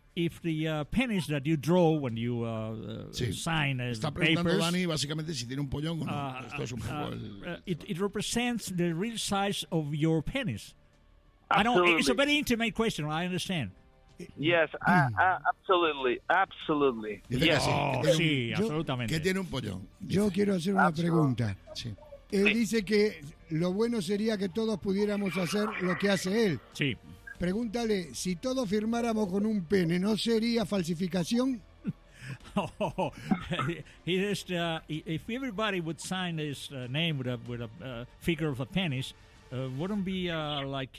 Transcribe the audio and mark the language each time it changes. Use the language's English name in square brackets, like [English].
[English] If the penis that you draw when you sign as [Spanish] está preguntando Dani básicamente si tiene un pollón o no. Esto es un juego. [English] It represents the real size of your penis. Absolutely. It's a very intimate question. I understand. Yes, absolutely. Yes. [Spanish] Absolutamente. Que tiene un pollón. Yo quiero hacer una pregunta. Sí. Él dice que lo bueno sería que todos pudiéramos hacer lo que hace él. Sí. Pregúntale, si todos firmáramos con un pene, ¿no sería falsificación? [English] Oh, he just, if everybody would sign his name with a figure of a penis, wouldn't be like...